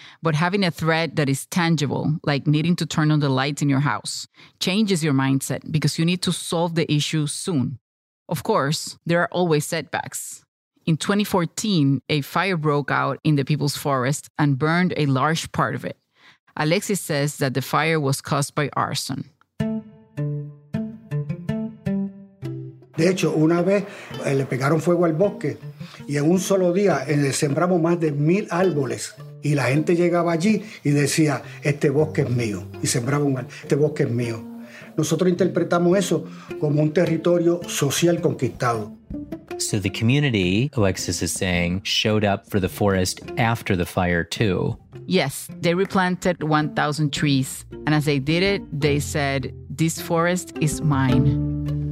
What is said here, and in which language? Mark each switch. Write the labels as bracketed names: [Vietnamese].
[English] But having a threat that is tangible, like needing to turn on the lights in your house, changes your mindset because you need to solve the issue soon. Of course, there are always setbacks. In 2014, a fire broke out in the People's Forest and burned a large part of it. Alexis says that the fire was caused by arson. [Spanish] De hecho, una vez le pegaron fuego al bosque y en un solo día sembramos más de 1,000 árboles y la gente llegaba allí y decía, este bosque es mío, y sembraba un árbol, este bosque es mío. Nosotros interpretamos eso como un territorio social conquistado. [English] So the community, Alexis is saying, showed up for the forest after the fire too. Yes, they replanted 1,000 trees. And as they did it, they said, this forest is mine.